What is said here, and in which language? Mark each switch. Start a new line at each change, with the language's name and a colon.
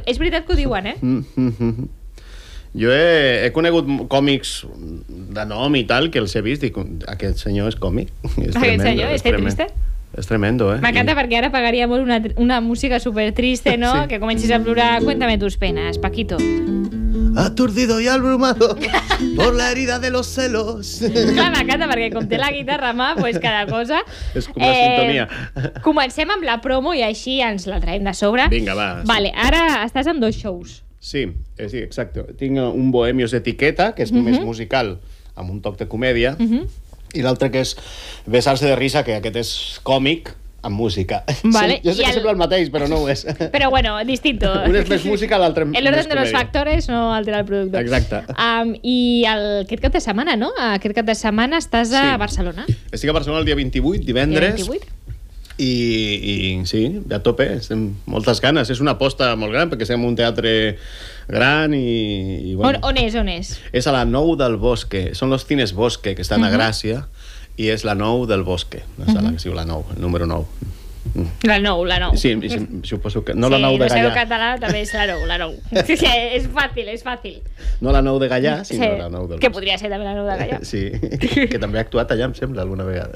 Catalan: És veritat que ho diuen, eh? Jo he conegut còmics de nom i tal, que els he vist i aquest senyor és còmic. Aquest senyor és trist. És tremendo, eh? M'encanta perquè ara pagaria molt una música supertriste, no? Sí. Que comencis a plorar.
Spanish: Cuéntame tus penas,
Catalan: Paquito.
Spanish: Aturdido y abrumado por la herida de los celos.
Catalan: Clar, m'encanta perquè com té la guitarra a mà, pues cada cosa... És com la sintonia. Comencem amb la promo i així ens la traiem de sobre. Vinga, va. Vale, ara estàs amb dos shows. Sí, sí, exacte. Tinc un Bohemios d'etiqueta, que és més musical, amb un toc de comèdia. Mhm. I l'altre que és Besar-se de risa, que aquest és còmic amb música. Vale, jo sé que sembla el mateix, però no ho és. Però
Spanish: bueno, distinto.
Catalan: Un és més música, l'altre més
Spanish: comèdia. El orden de los factores no altera el producte.
Catalan: Exacte. I aquest cap de setmana, no? Aquest cap de setmana estàs a Barcelona. Estic a Barcelona el dia 28, divendres. I sí, a tope, estem moltes ganes. És una aposta molt gran, perquè estem en un teatre gran i bueno. On és? És a la Nou del Bosque. Són los Cines Bosque, que estan a Gràcia, i és la Nou del Bosque. La sala que es diu la Nou, el número 9. La Nou. Sí, suposo que... No sí, la Nou de Gallà. Sí, el seu català també és la Nou. Sí, sí, és fàcil. No la Nou de Gallà, sinó sí, la Nou del Bosque. Que podria ser també la Nou de Gallà. Sí, que també ha actuat allà, em sembla, alguna vegada.